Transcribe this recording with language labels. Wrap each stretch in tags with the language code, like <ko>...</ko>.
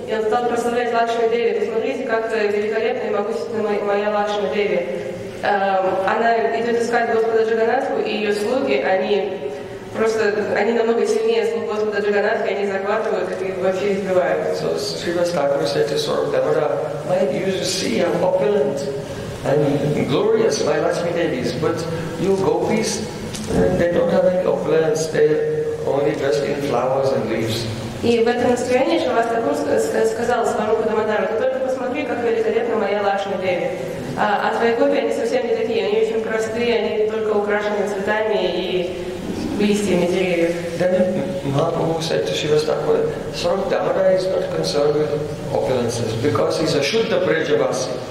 <ru>И он стал прославлять Лакшми Деви. Посмотрите, как великолепна и могущественна моя Лакшми Деви. Она идет искать Господа Джаганатху, и ее слуги, они просто, они намного сильнее слуг Господа Джаганатху, и они захватывают их и вообще избивают.</ru> <en>So Srivas Thakur said to Saurabh Damodara, "My, you see, I'm opulent and glorious, my Lakshmi Devi is, but you gopis, they don't have any opulence, they're only dressed in flowers and leaves."</en> <ru>И в этом настроении Шривас Такур сказал Сварупа Дамодару, ты только посмотри, как великолепна моя Лакшми Деви. А твои гопи, они совсем не такие, они очень простые, они только украшены цветами и листьями деревьев.</ru> <en>Then Mahaprabhu said to Shrivas Thakur, Сварупа Дамодара is not concerned with opulences, because he's a Шудда Вриджавасси.</en>